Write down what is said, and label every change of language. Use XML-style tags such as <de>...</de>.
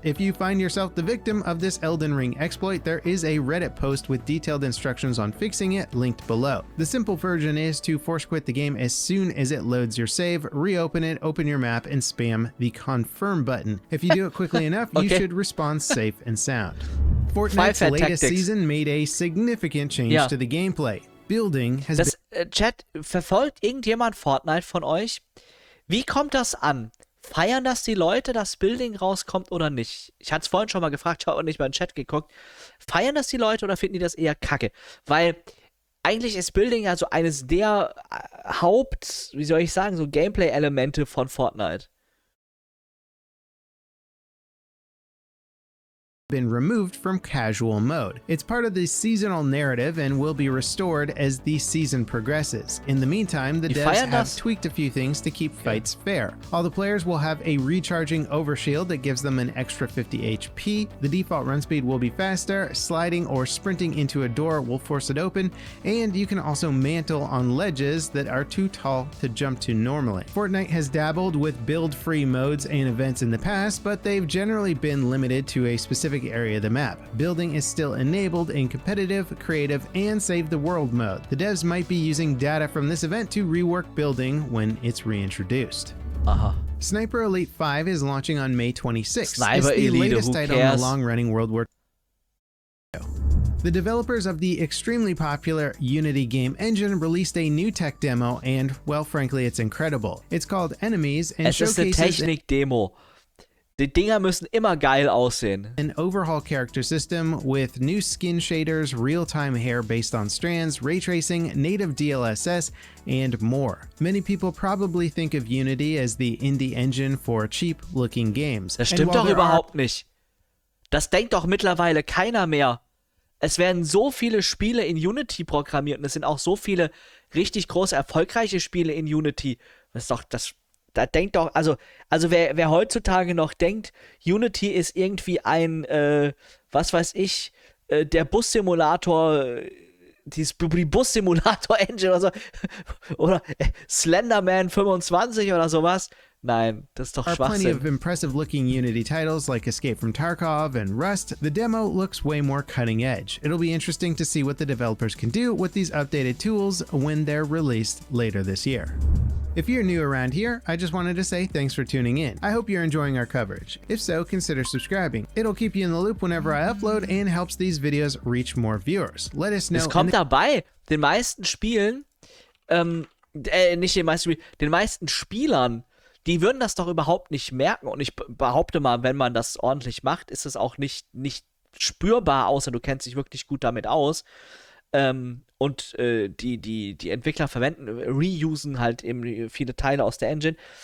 <en>If you find yourself the victim of this Elden Ring exploit, there is a Reddit post with detailed instructions on fixing it linked below. The simple version is to force quit the game as soon as it loads your save, reopen it, open your map, and spam the confirm button. If you do it quickly enough, okay, you should respond safe and sound. Fortnite's latest tactics. Season made a significant change to the gameplay. Building has</en> <de>das, Chat, verfolgt irgendjemand Fortnite von euch? Wie kommt das an? Feiern das die Leute, dass Building rauskommt oder nicht? Ich hatte es vorhin schon mal gefragt, ich habe auch nicht mal in den Chat geguckt. Feiern das die Leute oder finden die das eher kacke? Weil eigentlich ist Building ja so eines der Haupt, wie soll ich sagen, so Gameplay-Elemente von Fortnite.</de> <en>been removed from casual mode. It's part of the seasonal narrative and will be restored as the season progresses. In the meantime, the devs have tweaked a few things to keep fights fair. All the players will have a recharging overshield that gives them an extra 50 HP. The default run speed will be faster, sliding or sprinting into a door will force it open, and you can also mantle on ledges that are too tall to jump to normally. Fortnite has dabbled with build-free modes and events in the past, but they've generally been limited to a specific area of the map. Building is still enabled in competitive, creative, and save the world mode. The devs might be using data from this event to rework building when it's reintroduced. Sniper Elite 5 is launching on May 26th. Sniper it's the Elite, latest title cares? In the long-running World War II. The developers of the extremely popular Unity game engine released a new tech demo, and, well, frankly, it's incredible. It's called Enemies and</en> <de>es</de> <en>showcases...</en> <de>Es ist eine Technik-Demo. Die Dinger müssen immer geil aussehen.</de> <en>...an overhaul character system with new skin shaders, real-time hair based on strands, ray tracing, native DLSS, and more. Many people probably think of Unity as the indie engine for cheap-looking games.</en> <de>Das stimmt doch überhaupt nicht. Das denkt doch mittlerweile keiner mehr. Es werden so viele Spiele in Unity programmiert und es sind auch so viele richtig große, erfolgreiche Spiele in Unity. Das ist doch, das, da denkt doch, also wer heutzutage noch denkt, Unity ist irgendwie ein, was weiß ich, der Bus-Simulator, die Bus-Simulator-Engine oder so, oder Slenderman 25 oder sowas. Nein, das ist doch Schwachsinn.</de> <en>Plenty of impressive looking Unity titles like Escape from Tarkov and Rust, the demo looks way more cutting edge. It'll be interesting to see what the developers can do with these updated tools when they're released later this year. If you're new around here, I just wanted to say thanks for tuning in. I hope you're enjoying our coverage. If so, consider subscribing. It'll keep you in the loop whenever I upload and helps these videos reach more viewers. Let us know.</en> <de>Es kommt dabei. Den meisten Spielen, nicht den meisten Spielen, den meisten Spielern. Die würden das doch überhaupt nicht merken. Und ich behaupte mal, wenn man das ordentlich macht, ist es auch nicht spürbar, außer du kennst dich wirklich gut damit aus. Und die Entwickler verwenden, reusen halt eben viele Teile aus der Engine.</de>